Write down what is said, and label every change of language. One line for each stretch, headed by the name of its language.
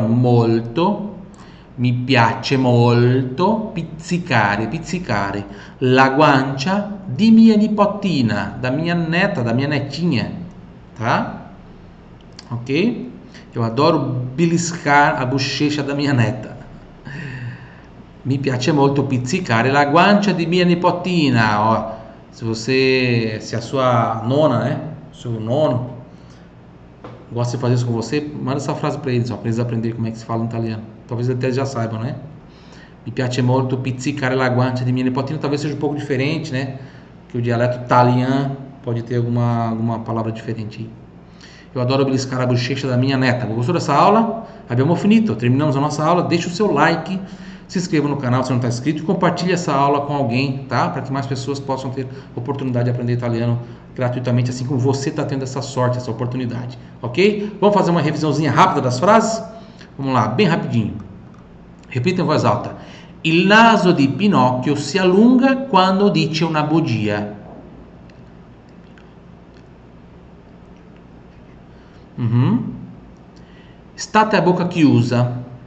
Italian: Molto. Mi piace molto. Pizzicare, pizzicare. La guancia di mia nipotina.
Portuguese: Da minha neta, da minha netinha. Tá? Ok? Eu adoro beliscar a bochecha da minha neta.
Italian: Mi piace molto pizzicare la guancia di mia nipotina, ó.
Portuguese: Se a sua nona, né? Seu nono gosta de fazer isso com você, manda essa frase para eles, ó, para eles aprenderem como é que se fala em italiano. Talvez até já saibam, né?
Italian: Mi piace molto pizzicare la guancia di mia nipotina.
Portuguese: Talvez seja um pouco diferente, né? Que o dialeto italiano pode ter alguma palavra diferente aí. Eu adoro beliscar a bochecha da minha neta. Gostou dessa aula?
Italian: Abbiamo finito.
Portuguese: Terminamos a nossa aula. Deixa o seu like. Se inscreva no canal se não está inscrito e compartilhe essa aula com alguém, tá? Para que mais pessoas possam ter oportunidade de aprender italiano gratuitamente, assim como você está tendo essa sorte, essa oportunidade, ok? Vamos fazer uma revisãozinha rápida das frases? Vamos lá, bem rapidinho. Repita em voz alta.
Italian: Il naso di Pinocchio si allunga quando dice una bugia. State a bocca chiusa.